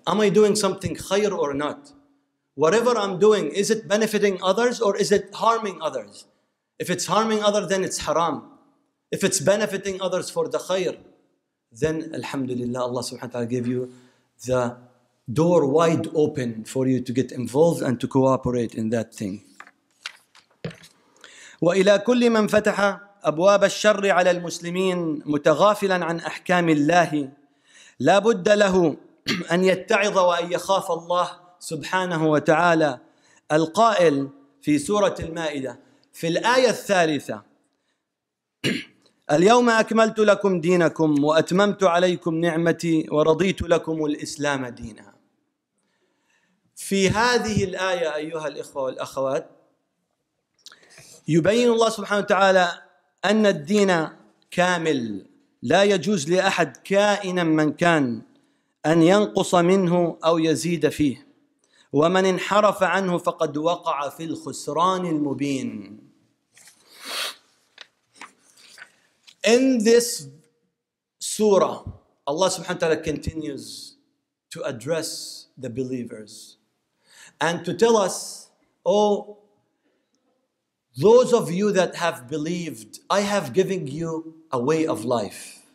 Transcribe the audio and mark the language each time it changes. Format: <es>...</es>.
<en>Am I doing something khair or not? Whatever I'm doing, is it benefiting others or is it harming others? If it's harming others, then it's haram. If it's benefiting others for the khair, then alhamdulillah, Allah subhanahu wa ta'ala gave you the door wide open for you to get involved and to cooperate in that thing.</en> <ar>وَإِلَىٰ كُلِّ مَنْ فَتَحَ أَبْوَابَ الشَّرِّ عَلَىٰ الْمُسْلِمِينَ مُتَغَافِلًا عَنْ أَحْكَامِ اللَّهِ لا بد له أن يتعظ وأن يخاف الله سبحانه وتعالى القائل في سورة المائدة في الآية الثالثة اليوم أكملت لكم دينكم وأتممت عليكم نعمتي ورضيت لكم الإسلام دينا. في هذه الآية أيها الإخوة والأخوات يبين الله سبحانه وتعالى أن الدين كامل لا يجوز لأحد كائنا من كان أن ينقص منه أو يزيد فيه ومن انحرف عنه فقد وقع في الخسران المبين.</ar> <en>In this surah, Allah subhanahu wa ta'ala continues to address the believers and to tell us, oh, those of you that have believed, I have given you a way of life.</en>